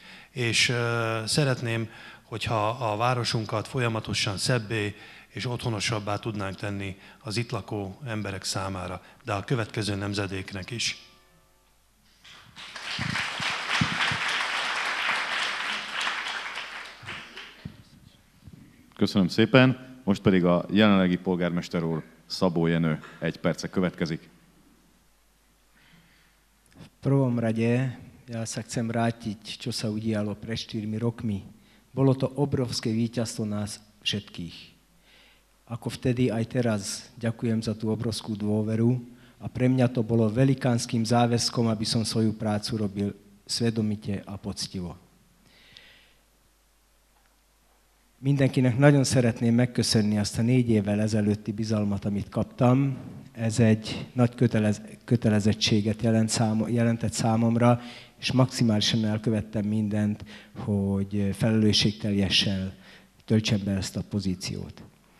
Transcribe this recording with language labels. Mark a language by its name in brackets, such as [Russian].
[Hungarian] És szeretném, hogyha a városunkat folyamatosan szebbé és otthonosabbá tudnánk tenni az itt lakó emberek számára, de a következő nemzedéknek is. Köszönöm szépen. Most pedig a jelenlegi polgármester úr Szabó Jenő egy perce következik. [Slovak] V prvom rade ja sa chcem vrátiť, čo sa udialo pred 4 rokmi. Bolo to obrovské víťazstvo nás všetkých. Ako vtedy, aj teraz ďakujem za tú obrovskú dôveru a pre mňa to bolo velikánskym záväzkom, aby som svoju prácu robil svedomite a poctivo. [Hungarian] Mindenkinek nagyon szeretném megköszönni azt a 4 évvel ezelőtti bizalmat, amit kaptam. Ez egy nagy kötelezettséget jelentett számomra, és maximálisan elkövettem mindent, hogy felelősségteljesen töltsem be ezt a pozíciót.